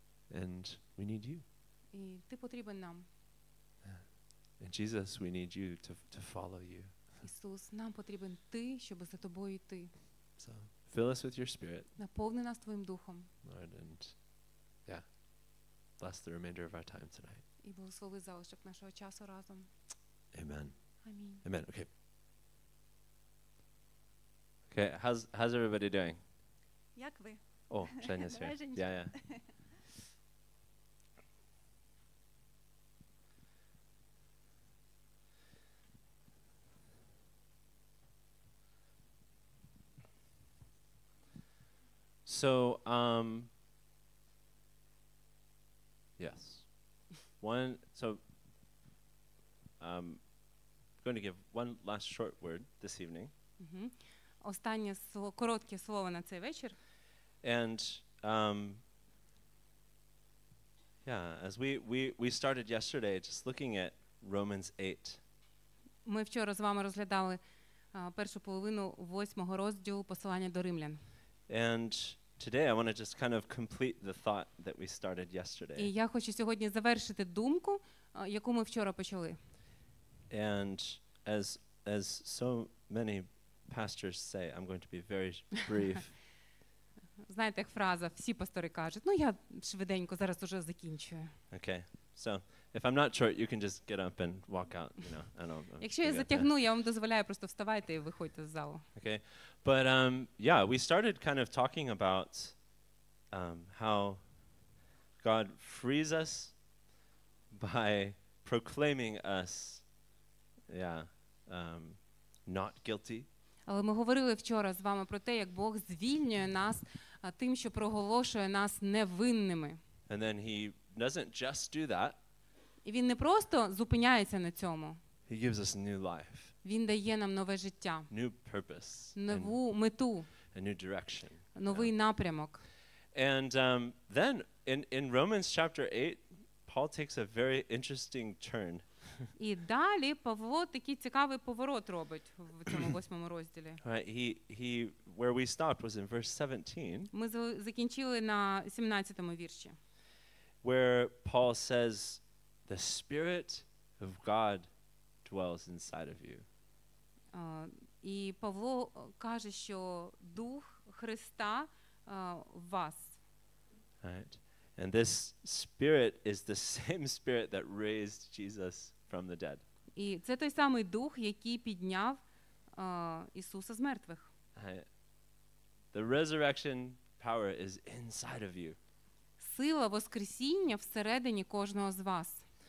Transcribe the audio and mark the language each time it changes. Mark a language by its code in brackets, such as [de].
[en] And we need you. [uk] І ти потрібен нам. [en] And Jesus, we need you to follow you. [uk] Ісус, нам потрібен ти, щоб за тобою йти. [en] So, fill us with your spirit. [uk] Наповни нас твоїм духом. [en] Lord, and yeah, bless the remainder of our time tonight. [uk] І благослови залишок нашого часу разом. [en] Amen. [uk] Амінь. [en] Amen. Okay. Okay, how's everybody doing? [uk] Як ви? [en] Oh, Шеня's here. Yeah, yeah. So, yes, one, so I'm going to give one last short word this evening. [uk] Останнє слово, коротке слово на цей вечір. [en] And, yeah, as we started yesterday, just looking at Romans 8. [uk] Ми вчора з вами розглядали першу половину восьмого розділу послання до Римлян. [en] And today I want to just kind of complete the thought that we started yesterday. [uk] І я хочу сьогодні завершити думку, яку ми вчора почали. [en] And as so many pastors say, I'm going to be very brief. [uk] Знаєте, як фраза, всі пастори кажуть, ну я швиденько зараз уже закінчую. [en] Okay. So, if I'm not short, you can just get up and walk out, you know. I don't know. [uk] Якщо я затягну, я вам дозволяю просто вставайте і виходьте з залу. [en] Okay. But yeah, we started kind of talking about how God frees us by proclaiming us not guilty. [uk] Але ми говорили вчора з вами про те, як Бог звільнює нас тим, що проголошує нас невинними. [en] And then he doesn't just do that. [uk] І він не просто зупиняється на цьому. [en] He gives us new life. [uk] Він дає нам нове життя. [en] New purpose. [uk] Нову мету. [en] A new direction. [uk] Новий напрямок. [en] And then in Romans chapter 8, Paul takes a very interesting turn. [uk] І далі Павло такий цікавий поворот робить в цьому восьмому розділі. [en] He where we stopped was in verse 17. [uk] Ми закінчили на 17-му вірші. [en] Where Paul says the spirit of God dwells inside of you. [uk] І Павло каже, що дух Христа в вас. [en] Right. And this spirit is the same spirit that raised Jesus from the dead. [uk] І це той самий дух, який підняв Ісуса з мертвих. [en] The resurrection power is inside of you. [uk] Сила воскресіння всередині кожного з вас.